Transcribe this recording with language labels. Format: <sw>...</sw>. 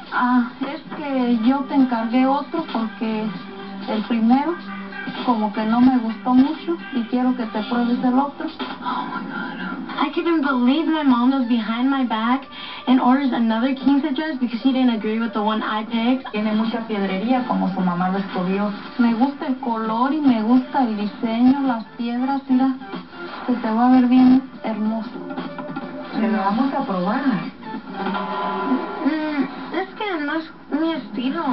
<es>Ah, es que yo te encargué otro porque el primero como que no me gustó mucho y quiero que te pruebes el otro.</es> <en>Oh my God. I can't couldn't believe my mom was behind my back and orders another quince dress because she didn't agree with the one I picked.</en> <es>Tiene mucha piedrería como su mamá lo escogió. Me gusta el color y me gusta el diseño, las piedras, mira, que te va a ver bien hermoso. Se lo vamos a probar. Es que no es mi estilo.</es>